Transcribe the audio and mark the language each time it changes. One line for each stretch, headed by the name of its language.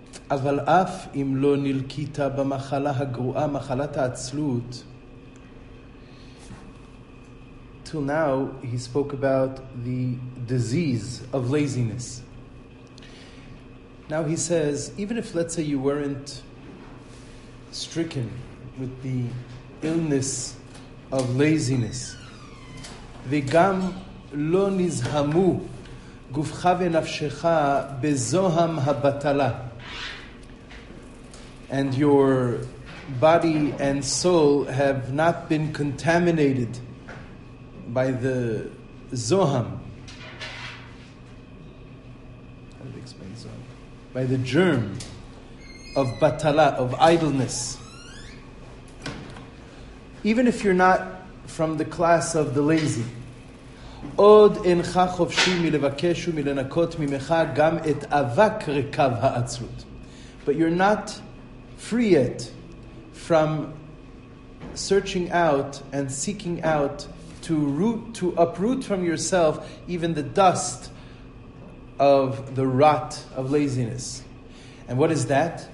Hebrew: אבל אף אם לא נלקית במחלה הגרועה, מחלת העצלות.
English: Till now, he spoke about the disease of laziness. Now he says, even if, let's say, you weren't stricken with the illness of laziness,
Hebrew: וגם לא נזהמו גופך ונפשך בזוהם הבטלה,
English: and your body and soul have not been contaminated by the zoham. How do I explain zoham? By the germ of batala, of idleness. Even if you're not from the class of the lazy,
Hebrew: עוד אינך חופשי מלבקש ומלנקות ממך גם את אבק רקב העצלות.
English: But you're not free it from searching out and seeking out to uproot from yourself even the dust of the rot of laziness. And what is that?